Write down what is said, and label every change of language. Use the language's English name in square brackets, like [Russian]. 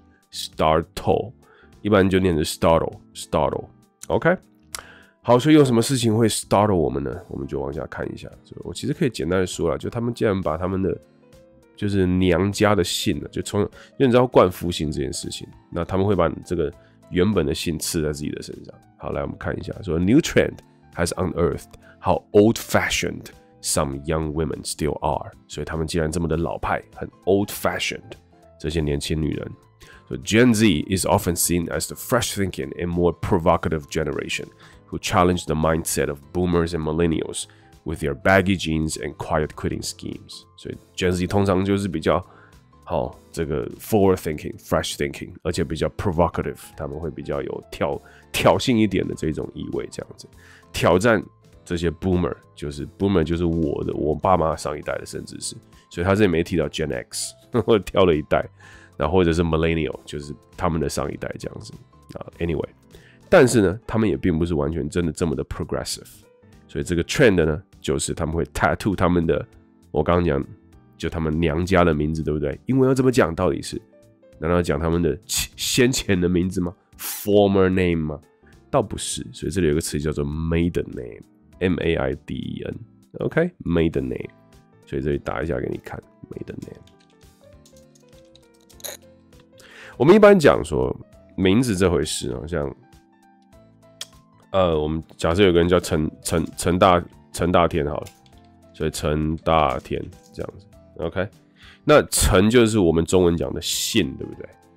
[Chinese] Startle 一般就念成 startle OK。好，所以有什么事情会 startle 我们呢？我们就往下看一下。我其实可以简单的说啦，就他们竟然把他们的就是娘家的姓，就从你知道冠夫姓这件事情，那他们会把你这个原本的姓刺在自己的身上。好，来我们看一下，说 [English] New trend has unearthed how old fashioned some young women still are。 [Chinese] 所以他们既然这么的老派，很 old fashioned， 这些年轻女人。 [English] So Gen Z is often seen as the fresh thinking and more provocative generation who challenge the mindset of boomers and millennials with their baggy jeans and quiet quitting schemes。 [Chinese] 所以 Gen Z 通常就是比较好，这个 [English] forward thinking fresh thinking， [Chinese] 而且比较 provocative， 他们会比较有挑衅一点的这种意味，这样子挑战这些 boomer， 就是 boomer 就是我爸妈上一代的，甚至是，所以他这里没提到 Gen X， 我挑了一代，那或者是 millennial， 就是他们的上一代这样子。 Anyway， 但是呢，他们也并不是完全真的这么的 progressive， 所以这个 trend 呢，就是他们会 tattoo 他们的，我刚刚讲就他们娘家的名字，对不对？英文要怎么讲？到底是难道要讲他们的先前的名字吗 ？ [English] Former name [Chinese] 吗？倒不是，所以这里有一个词叫做 maiden name。 M-A-I-D-E-N OK Maiden name， 所以这里打一下给你看 Maiden name。我们一般讲说名字这回事，好像我们假设有个人叫陈大天好了，所以陈大天这样子 OK。那陈就是我们中文讲的姓，对不对？